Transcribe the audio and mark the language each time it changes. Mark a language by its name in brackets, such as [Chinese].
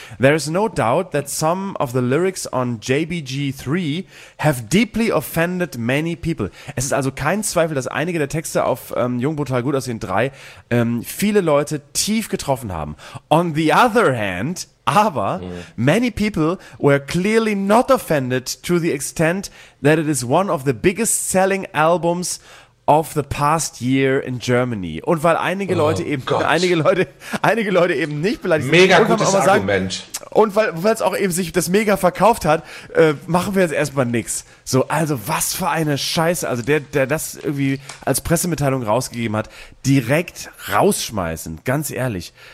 [English] There is no doubt that some of the lyrics on JBG3 have deeply offended many people." [German] Es ist also kein Zweifel, dass einige der Texte auf Jung, Brutal, Gut aussehen 3 viele Leute tief getroffen haben. [English] On the other hand, [German] aber [English] many people were clearly not offended to the extent that it is one of the biggest selling albums of the past year in Germany. [German] Und weil einige Leute eben nicht beleidigt sind. Mega gutes Argument. Sagen, und weil es auch eben sich das mega verkauft hat, machen wir jetzt erstmal nichts. So, also was für eine Scheiße. Also der das irgendwie als Pressemitteilung rausgegeben hat, direkt rausschmeißen, ganz ehrlich.